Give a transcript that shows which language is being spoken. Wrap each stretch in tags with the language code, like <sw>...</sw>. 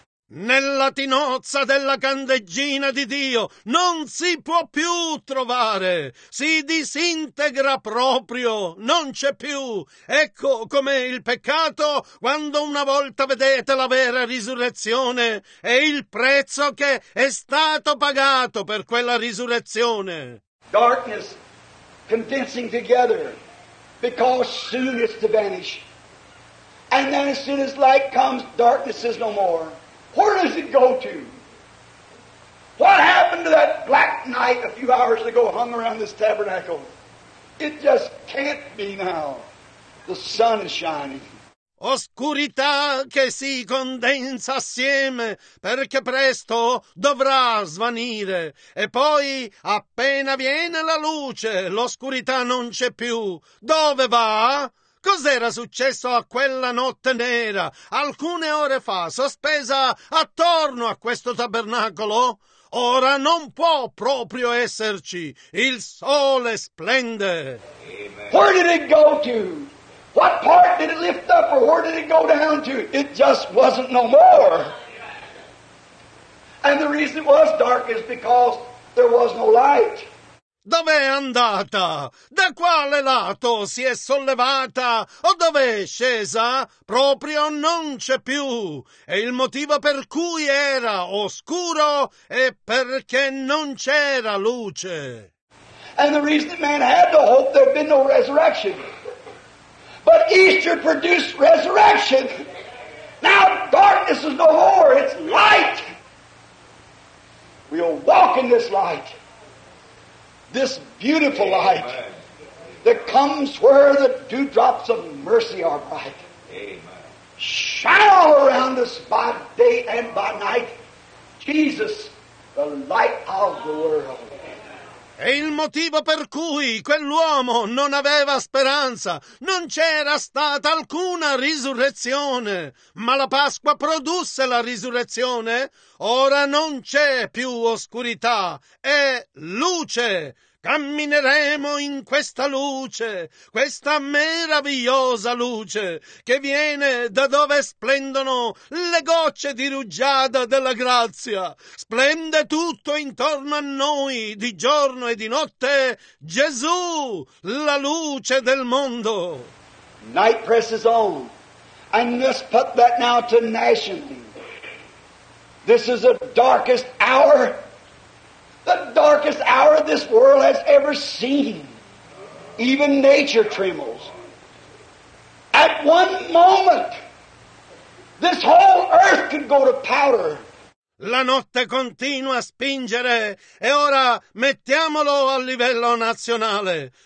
<it>Nella tinozza della candeggina di Dio non si può più trovare, si disintegra proprio, non c'è più. Ecco com'è il peccato quando una volta vedete la vera risurrezione e il prezzo che è stato pagato per quella risurrezione.</it> <en>Darkness condensing together. Because soon it's to vanish. And then as soon as light comes, darkness is no more. Where does it go to? What happened to that black night a few hours ago hung around this tabernacle? It just can't be now. The sun is shining.</en> <it>Oscurità che si condensa assieme, perché presto dovrà svanire. E poi, appena viene la luce, l'oscurità non c'è più. Dove va? Cos'era successo a quella notte nera, alcune ore fa, sospesa attorno a questo tabernacolo? Ora non può proprio esserci. Il sole splende.</it> <en>Where did it go to? What part did it lift up or where did it go down to? It just wasn't no more. And the reason it was dark is because there was no light.</en> <it>Dov'è andata? Da quale lato si è sollevata? O dov'è scesa? Proprio non c'è più. E il motivo per cui era oscuro è perché non c'era luce.</it> <en>And the reason that man had to hope there'd been no resurrection. But Easter produced resurrection. Now darkness is no more, it's light. We'll walk in this light, this beautiful light that comes where the dewdrops of mercy are bright. Shine all around us by day and by night. Jesus, the light of the world.</en> <it>E il motivo per cui quell'uomo non aveva speranza, non c'era stata alcuna risurrezione, ma la Pasqua produsse la risurrezione, ora non c'è più oscurità, è luce. Cammineremo in questa luce, questa meravigliosa luce che viene da dove splendono le gocce di rugiada della grazia. Splende tutto intorno a noi, di giorno e di notte, Gesù, la luce del mondo.</it> <en>Night presses on, and let's put that now to nationally. This is the darkest hour. The darkest hour this world has ever seen. Even nature trembles. At one moment, this whole earth could go to powder.</en> <it>La notte continua a spingere e ora mettiamolo a livello nazionale.</it>